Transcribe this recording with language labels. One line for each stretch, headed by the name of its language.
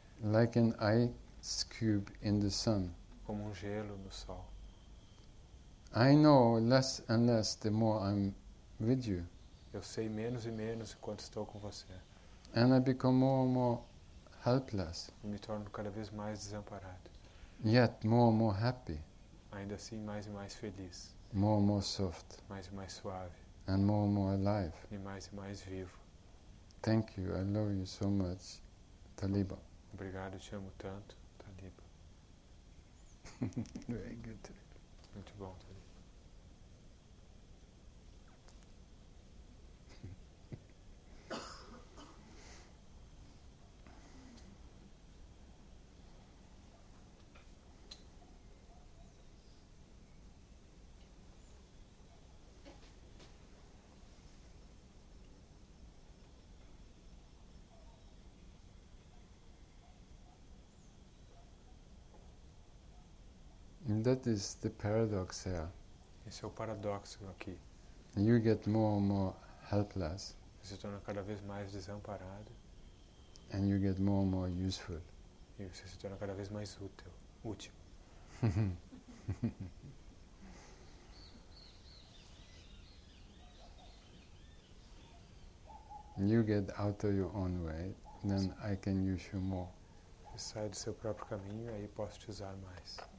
English: Like an ice cube in the sun.
Portuguese: Como gelo no sol.
English: I know less and less the more I'm with you.
Portuguese: Eu sei menos e menos enquanto estou com você.
English: And I become more and more helpless.
Portuguese: E me torno cada vez mais desamparado.
English: Yet more and more happy.
Portuguese: Ainda assim mais e mais feliz.
English: More and more soft.
Portuguese: Mais e mais suave.
English: And more and more alive.
Portuguese: E mais vivo.
English: Thank you. I love you so much, Taliba.
Portuguese: Obrigado, te amo tanto, Taliba.
English: Very good.
Portuguese: Muito bom, Taliba.
English: That is the paradox here.
Portuguese: Esse é o paradoxo aqui.
English: You get more and more helpless.
Portuguese: Você se torna cada vez mais desamparado.
English: And you get more and more useful.
Portuguese: E você se torna cada vez mais útil. Útil.
English: You get out of your own way, then I can use you more.
Portuguese: Você sai do seu próprio caminho, aí posso te usar mais.